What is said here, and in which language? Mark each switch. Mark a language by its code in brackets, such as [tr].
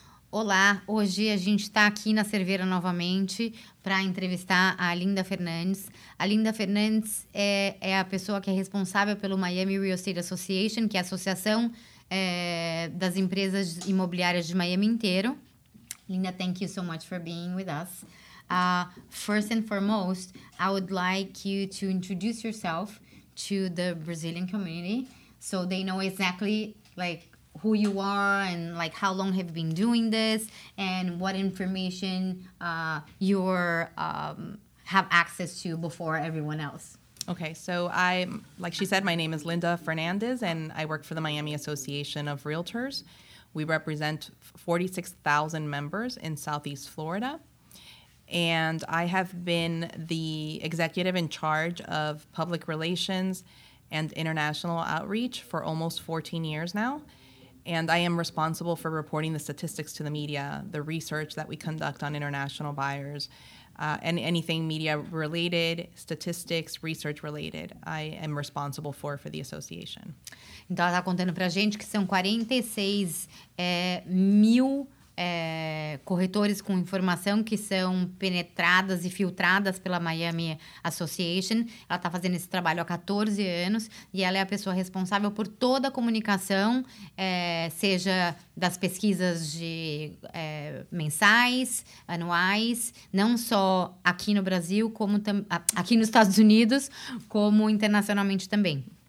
[pt] Olá, hoje a gente está aqui na Cervera novamente para entrevistar a Linda Fernandes. A Linda Fernandes é a pessoa que é responsável pelo Miami Real Estate Association, que é a associação das empresas imobiliárias de Miami inteiro. [en] Linda, thank you so much for being with us. First and foremost, I would like you to introduce yourself to the Brazilian community so they know exactly like who you are and like how long have you been doing this and what information have access to before everyone else. Okay, so I, like she said, my name is Linda Fernandez and I work for the Miami Association of Realtors. We represent 46,000 members in Southeast Florida. And I have been the executive in charge of public relations and international outreach for almost 14 years now. And I am responsible for reporting the statistics to the media, the research that we conduct on international buyers, and anything media-related, statistics, research-related, I am responsible for the association. [pt] Então, ela está contando para a gente que são 46 mil corretores com informação que são penetradas e filtradas pela Miami Association. Ela está fazendo esse trabalho há 14 anos e ela é a pessoa responsável por toda a comunicação, seja das pesquisas de mensais, anuais, não só aqui no Brasil, como aqui nos Estados Unidos, como internacionalmente também.